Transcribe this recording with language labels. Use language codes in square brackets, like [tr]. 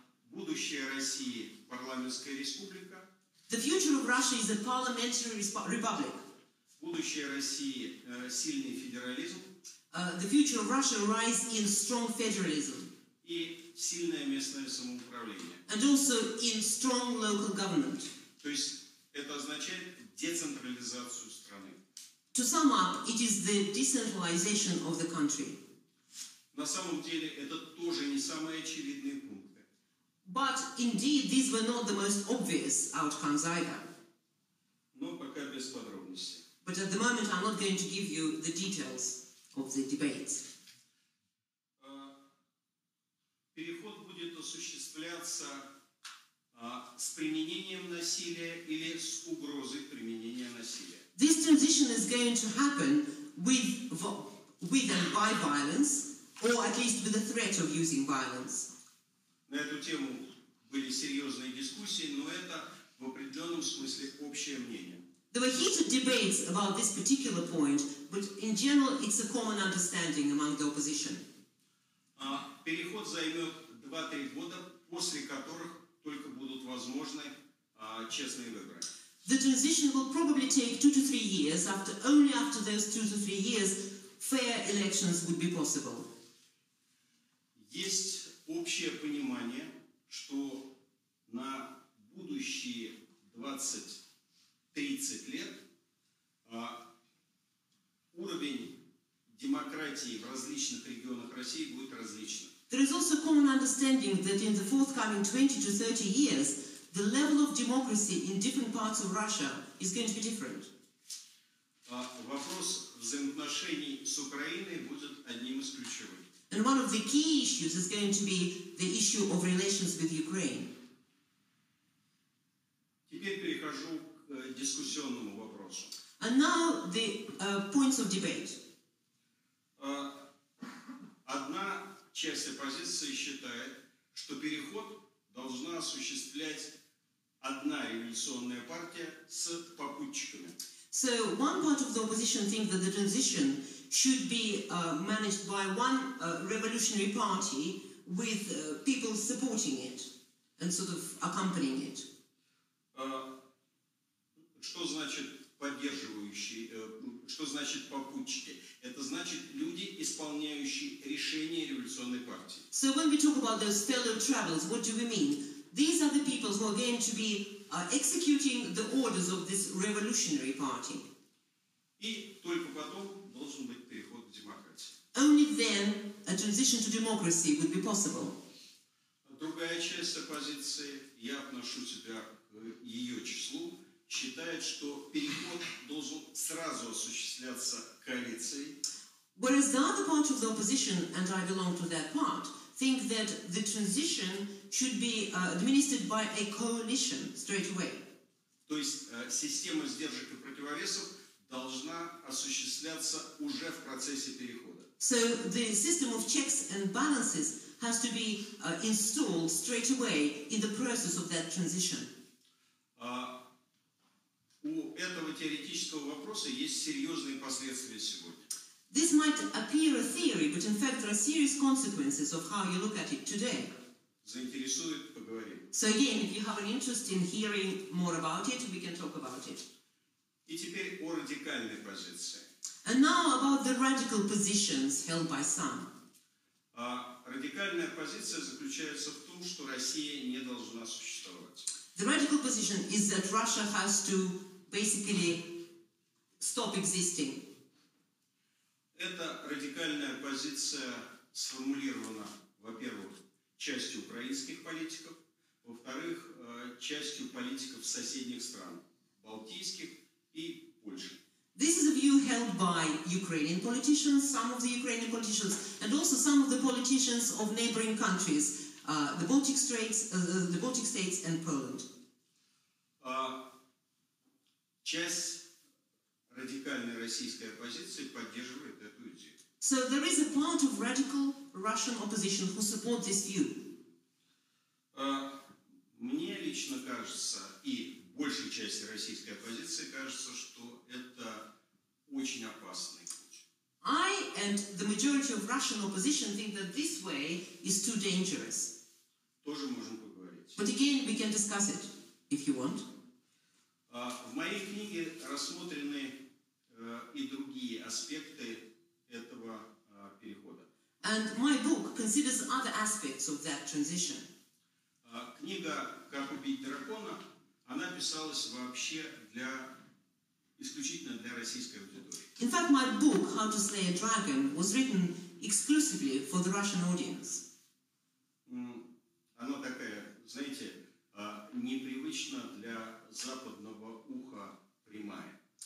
[ru] Будущее России – парламентская республика. [en] The future of Russia is a parliamentary republic. [ru] Будущее России – сильный федерализм. [en] The future of Russia lies in strong federalism. [ru] И сильное местное самоуправление. [en] And also in strong local government. [ru] То есть это означает децентрализацию страны. [en] To sum up, it is the decentralization of the country. [ru] На самом деле, это тоже не самые очевидные пункты. [en] But indeed, these were not the most obvious outcomes either. [ru] Но пока без подробностей. [en] But at the moment, I'm not going to give you the details. of the debates. [ru] Переход будет осуществляться с применением насилия или с угрозой применения насилия. [en] This transition is going to happen with and by violence, or at least with the threat of using violence. [ru] На эту тему были серьезные дискуссии, но это в определенном смысле общее мнение. [en] There were heated debates about this particular point, but in general it's a common understanding among the opposition. [ru] Переход займет 2-3 года, после которых только будут возможны честные выборы. [en] The transition will probably take 2-3 years, after only after those 2-3 years fair elections would be possible. [ru] Есть общее понимание, что на будущие 20-30 лет уровень демократии в различных регионах России будет различным. [en] There is also common understanding that in the forthcoming 20-30 years, the level of democracy in different parts of Russia is going to be different. [ru] Вопрос взаимоотношений с Украиной будет одним из ключевых. [en] And one of the key issues is going to be the issue of relations with Ukraine. [ru] Теперь перехожу к дискуссионному вопросу. [en] And now the points of debate. [ru] Одна часть оппозиции считает, что переход должна осуществлять одна революционная партия с попутчиками. [en] So one part of the opposition thinks that the transition should be managed by one revolutionary party with people supporting it and sort of accompanying it. [ru] Что значит поддерживающие, что значит попутчики? Это значит люди, исполняющие решения революционной партии. [en] So when we talk about those fellow travelers, what do we mean? These are the people who are going to be executing the orders of this revolutionary party. [ru] И только потом должен быть переход к демократии. [en] Only then a transition to democracy would be possible. [ru] Другая часть оппозиции, я отношу себя к ее числу, считает, что переход должен сразу осуществляться коалицией. [en] Whereas the other part of the opposition, and I belong to that part, think that the transition should be administered by a coalition straight away. [ru] То есть система сдержек и противовесов должна осуществляться уже в процессе перехода. [en] So the system of checks and balances has to be installed straight away in the process of that transition. [ru] У этого теоретического вопроса есть серьезные последствия сегодня. [en] This might appear a theory, but in fact there are serious consequences of how you look at it today. [ru] Заинтересует, поговорим. [en] So again, if you have an interest in hearing more about it, we can talk about it. [ru] И теперь о радикальной позиции. [en] And now about the radical positions held by some. [ru] Радикальная позиция заключается в том, что Россия не должна существовать. [en] The radical position is that Russia has to basically stop existing. [ru] Эта радикальная позиция сформулирована, во-первых, частью украинских политиков, во-вторых, частью политиков соседних стран, балтийских и Польши. [en] This is a view held by Ukrainian politicians, some of the Ukrainian politicians, and also some of the politicians of neighboring countries, the Baltic states and Poland. [ru] Часть радикальной российской оппозиции поддерживает эту идею. [en] So there is a part of radical Russian opposition who support this view. [ru] Мне лично кажется, и большей части российской оппозиции кажется, что это очень опасный путь. [en] I and the majority of Russian opposition think that this way is too dangerous. [ru] Тоже можем поговорить. [en] But again, we can discuss it, if you want. [ru] В моей книге рассмотрены и другие аспекты этого перехода. [en] And my book considers other aspects of that transition. [ru] Книга «Как убить дракона», она писалась вообще для, исключительно для российской аудитории. [en] In fact, my book «How to Slay a Dragon» was written exclusively for the Russian audience. [ru] Она такая, знаете, непривычна для западного уха прямая.